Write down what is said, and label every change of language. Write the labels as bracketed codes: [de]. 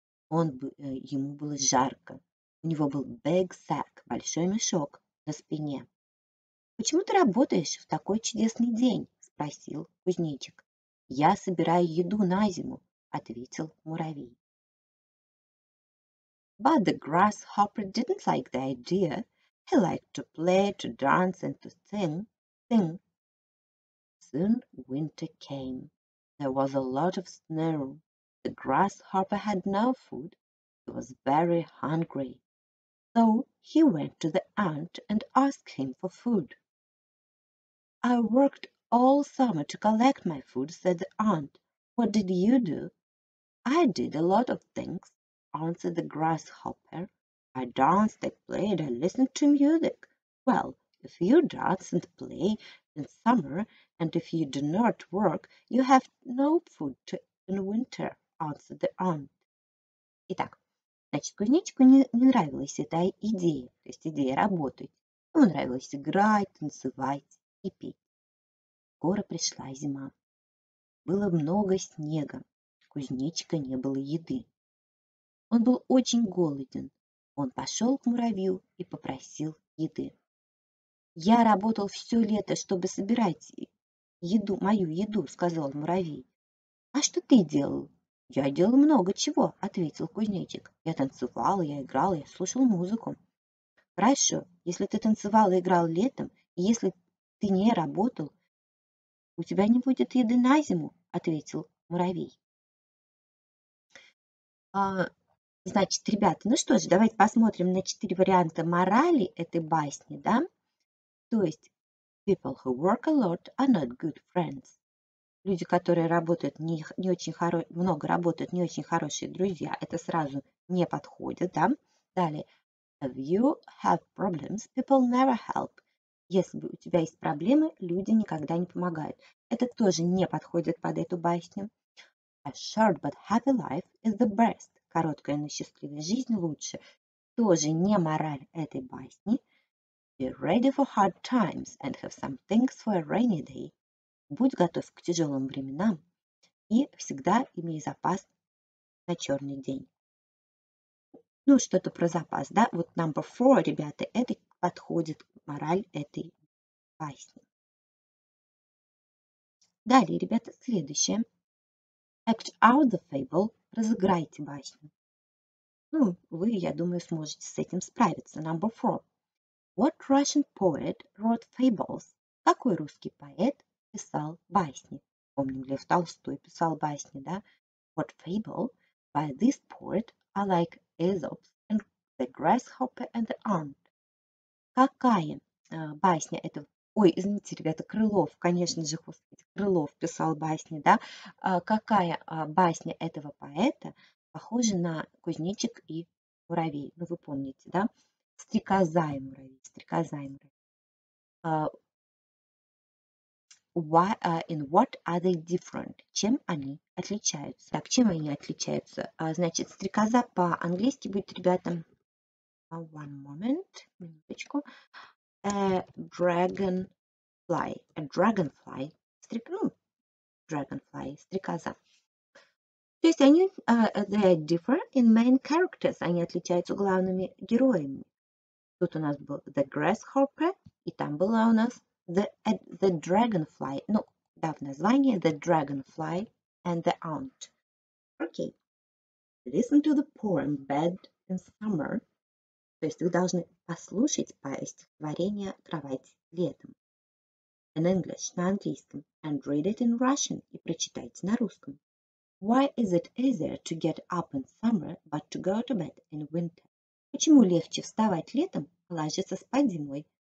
[ru] Ему было жарко. У него был [en] big sack [ru] – большой мешок на спине. «Почему ты работаешь в такой чудесный день?» – спросил кузнечик. «Я собираю еду на зиму», – ответил муравей. [en] But the grasshopper didn't like the idea. He liked to play, to dance, and to sing. Soon winter came. There was a lot of snow. The grasshopper had no food. He was very hungry. So he went to the ant and asked him for food. I worked all summer to collect my food, said the ant. What did you do? I did a lot of things, answered the grasshopper. I danced, I played, I listened to music. Well, if you dance and play in summer, and if you do not work, you have no food in winter, answered the ant. [ru] Итак, значит, кузнечику не нравилась эта идея, то есть идея работать. Ему нравилось играть, танцевать и петь. Скоро пришла зима. Было много снега. Кузнечика не было еды. Он был очень голоден. Он пошел к муравью и попросил еды. «Я работал все лето, чтобы собирать еду, мою еду», — сказал муравей. «А что ты делал?» «Я делал много чего», — ответил кузнечик. «Я танцевал, я играл, я слушал музыку». «Хорошо, если ты танцевал и играл летом, и если ты не работал, у тебя не будет еды на зиму», — ответил муравей. Значит, ребята, ну что же, давайте посмотрим на четыре варианта морали этой басни, да? То есть, [en] people who work a lot are not good friends. [ru] Люди, которые работают много работают, не очень хорошие друзья, это сразу не подходит, да? Далее, [en] if you have problems, people never help. [ru] Если у тебя есть проблемы, люди никогда не помогают. Это тоже не подходит под эту басню. [en] A short but happy life is the best. [ru] Короткая, но счастливая жизнь лучше. Тоже не мораль этой басни. [en] Be ready for hard times and have some things for a rainy day. [ru] Будь готов к тяжелым временам и всегда имей запас на черный день. Ну, что-то про запас, да? Вот [en] number four, [ru] ребята, это подходит мораль этой басни. Далее, ребята, следующее. [en] Act out the fable. [ru] Разыграйте басню. Ну, вы, я думаю, сможете с этим справиться. [en] Number four. What Russian poet wrote fables? [ru] Какой русский поэт писал басни? Помним, Лев Толстой писал басни, да? [en] What fable by this poet are like Aesop's and the grasshopper and the ant? [ru] Какая басня этого? Ой, извините, ребята, Крылов, конечно же, господи, Крылов писал басни, да? Какая басня этого поэта похожа на кузнечик и муравей? Ну, вы помните, да? Стрекоза и муравей, стрекоза и муравей. [en] In what are they different? [ru] Чем они отличаются? Так, чем они отличаются? Значит, стрекоза по-английски будет, ребята, [en] one moment, [ru] минуточку. [en] A dragonfly, [ru] стрекоза. То есть они, [en] they differ in main characters, [ru] они отличаются главными героями. Тут у нас был [en] the grasshopper, [ru] и там была у нас [en] the dragonfly, [ru] ну, да, в названии [en] the dragonfly and the ant. Okay, listen to the poem Bed in Summer. [ru] То есть вы должны послушать стихотворение «Кровать летом» [en] in English, [ru] на английском, [en] and read it in Russian, [ru] и прочитайте на русском. [en] Why is it easier to get up in summer, but to go to bed in winter? [ru] Почему легче вставать летом, а ложиться спать зимой?